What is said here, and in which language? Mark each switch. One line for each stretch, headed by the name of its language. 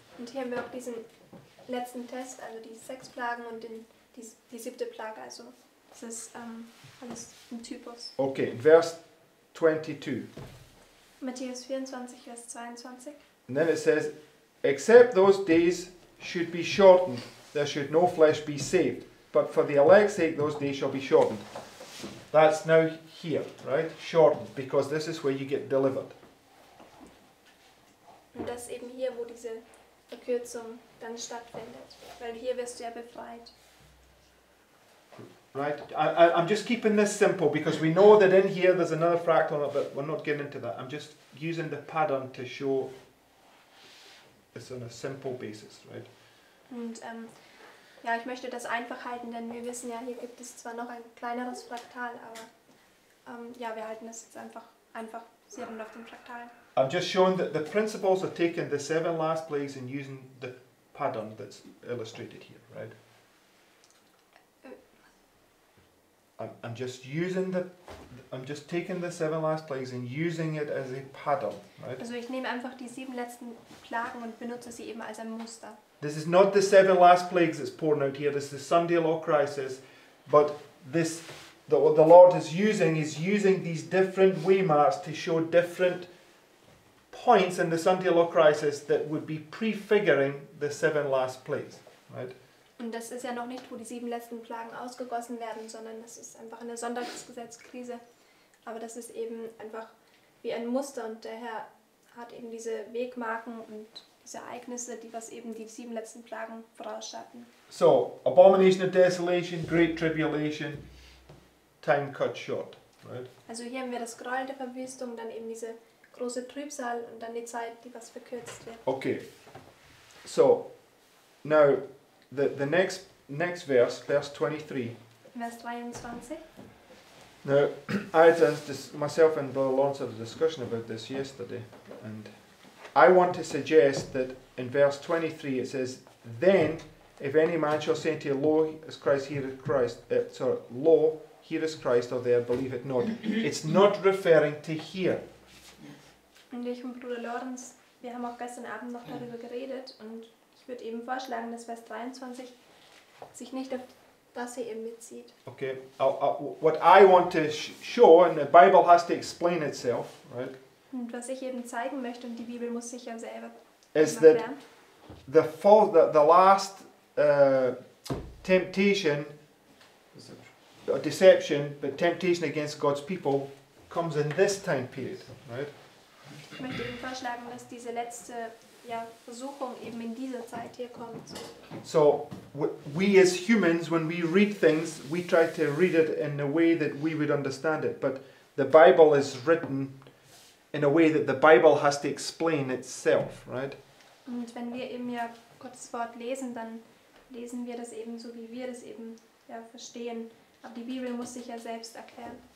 German: Und hier haben wir auch diesen letzten Test, also die sechs Plagen und die siebte Plage, also das ist alles im Typus. Okay, Vers 22. Matthäus 24, Vers 22.
English: And then it says, except those days should be shortened, there should no flesh be saved. But for the elect's sake, those days shall be shortened. That's now here, right? Shortened, because this is where you get delivered.
German: Und das eben hier, wo diese Verkürzung dann stattfindet. Weil hier wirst du ja befreit.
English: Right, I'm just keeping this simple because we know that in here there's another fractal, but we're not getting into that. I'm just using the pattern to show it's on a simple basis, right?
German: Und ja, ich möchte das einfach halten, denn wir wissen ja, hier gibt es zwar noch ein kleineres Fraktal, aber ja, wir halten das jetzt einfach sieben auf dem Fraktal.
English: I'm just showing that the principles are taking the seven last plagues and using the pattern that's illustrated here, right? I'm just using taking the seven last plagues and using it as a pattern, right?
German: Also ich nehme einfach die sieben letzten Plagen und benutze sie eben als ein Muster.
English: This is not the seven last plagues that's pouring out here. This is the Sunday law crisis, but this what the Lord is using these different waymarks to show different points in the Sunday law crisis that would be prefiguring the seven last plagues, right?
German: Und das ist ja noch nicht, wo die sieben letzten Plagen ausgegossen werden, sondern das ist einfach eine Sonntagsgesetzkrise. Aber das ist eben einfach wie ein Muster, und der Herr hat eben diese Wegmarken und diese Ereignisse, die was eben die sieben letzten Plagen vorausschatten.
English: So, abomination of desolation, great tribulation, time cut short, right?
German: Also hier haben wir das Gräuel der Verwüstung, dann eben diese große Trübsal und dann die Zeit, die was verkürzt wird.
English: Okay, so, now the next verse 23. Now, I had myself and Brother Lawrence had a discussion about this yesterday, and I want to suggest that in verse 23 it says, then if any man shall say to you, lo, is Christ, here is Christ, lo, here is Christ, or there, believe it not. It's not referring to here.
German: Und ich und Bruder Lawrence, wir haben auch gestern Abend noch darüber geredet, und ich würde eben vorschlagen, dass Vers 23 sich nicht auf das hier eben bezieht.
English: Okay, what I want to show, and the Bible has to explain itself, right?
German: Und was ich eben zeigen möchte, und die Bibel muss sich ja selber
English: is that
German: lernen.
English: the last temptation against God's people comes in this time period, right?
German: Ich möchte eben vorschlagen, dass diese letzte Versuchung eben in dieser Zeit hier kommt.
English: So, we as humans, when we read things, we try to read it in a way that we would understand it. But the Bible is written in a way that the Bible has to explain itself, right?
German: Und wenn wir eben ja Gottes Wort lesen, dann lesen wir das eben so, wie wir das eben ja verstehen. Aber die Bibel muss sich ja selbst erklären.